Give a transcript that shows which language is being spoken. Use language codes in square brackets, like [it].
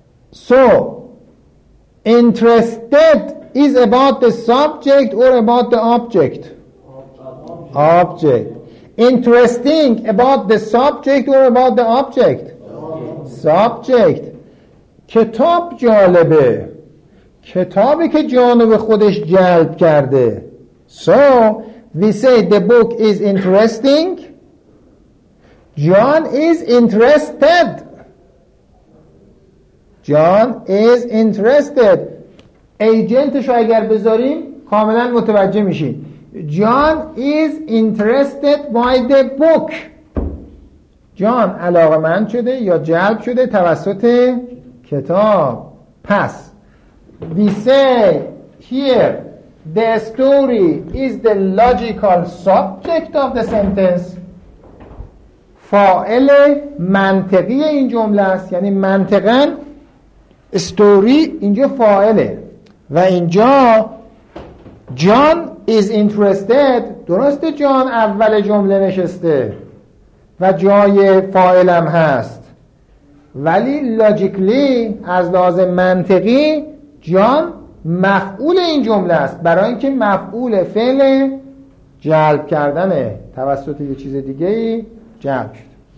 [en] So, interested is about the subject or about the object? Object. Interesting about the subject or about the object? Subject. [fa] کتاب جالبه. کتابی که جانب خودش جلب کرده. [en] So, we say the book is interesting. John is interested. John is interested. [fa] ایجنتشو اگر بذاریم کاملا متوجه میشین. [en] John is interested by the book. [fa] John علاقمند شده یا جلب شده توسط کتاب. [en] پس we say here the story is the logical subject of the sentence. [fa] فاعل منطقی این جمله است، یعنی منطقا استوری اینجا فاعله و اینجا جان [en] is interested. [fa] درسته جان اول جمله نشسته و جای فاعلم هست، ولی لاجیکلی از لحاظ منطقی جان مفعول این جمله است، برای اینکه مفعول فعل جلب کردنه، توسط یه چیز دیگه جلب شد.